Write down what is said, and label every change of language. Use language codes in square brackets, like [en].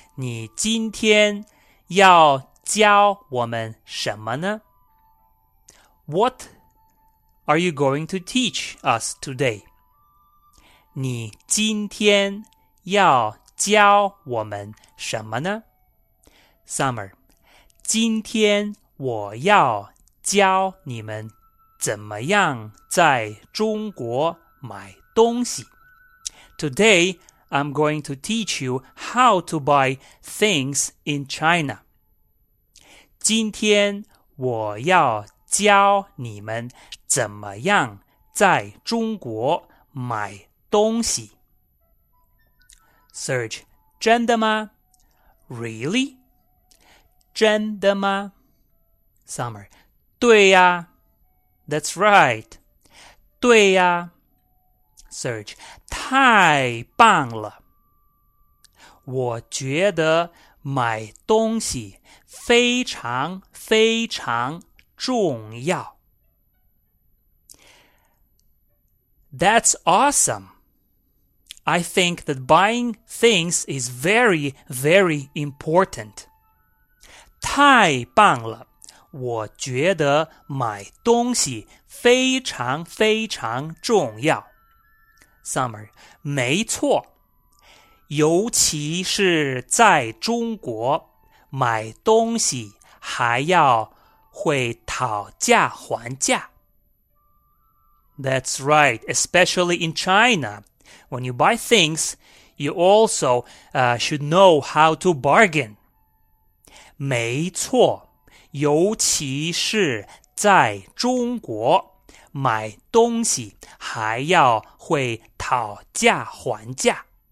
[zh] 你今天要教我们什么呢? [en] What are you going to teach us today? [zh] 你今天要教我们什么呢? [en] Summer. [zh] 今天我要教你们怎么样在中国买东西。 [en] Today, I'm going to teach you how to buy things in China. [zh] 今天我要教你们怎么样在中国买东西。 Search, 真的吗? [en] Really? [zh] 真的吗?Summer, 对呀。 [en] That's right. [zh] 对呀。 Search, 太棒了。我觉得买东西非常非常重要。 [en] That's awesome. I think that buying things is very, very important. [zh] 太棒了。我觉得买东西非常非常重要。 Summer, 没错。尤其是在中国买东西还要会讨价还价。 [en] That's right, especially in China. When you buy things, you also, should know how to bargain. [zh] 没错。尤其是在中国买东西还要会讨价还价。